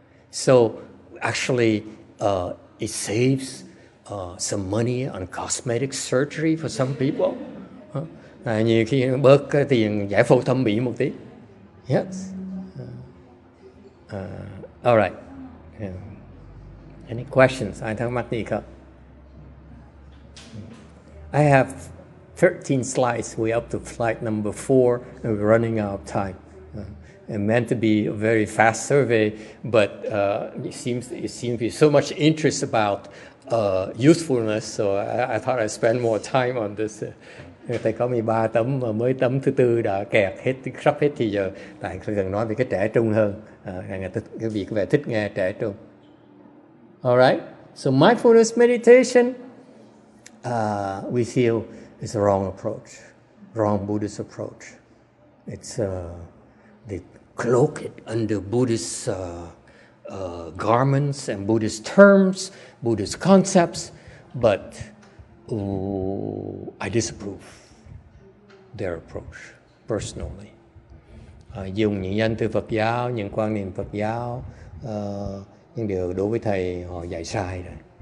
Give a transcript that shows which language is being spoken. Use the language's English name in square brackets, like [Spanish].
[English] So, actually, it saves some money on cosmetic surgery for some people. [Vietnamese] Nhiều khi bớt cái tiền giải phẫu thẩm mỹ một tí. [English] Yes. All right. Any questions? [Vietnamese] Ai thắc mắc gì không? [English] I have 13 slides, we're up to flight number 4, and we're running out of time. It meant to be a very fast survey, but it seems to be so much interest about usefulness, so I thought I'd spend more time on this. [Vietnamese] Thầy có 13 tấm và mới tấm thứ tư đã kẹt hết, sắp hết thì giờ. Tại thầy cần nói về cái trẻ trung hơn. Người thích, cái vị có vẻ thích nghe trẻ trung. [English] All right. So mindfulness meditation, we feel is a wrong approach, wrong Buddhist approach. It's they cloak it under Buddhist garments and Buddhist terms, Buddhist concepts, but I disapprove their approach personally. [Vietnamese] Dùng những danh từ Phật giáo, những quan niệm Phật giáo, những điều đối với thầy họ dạy sai rồi.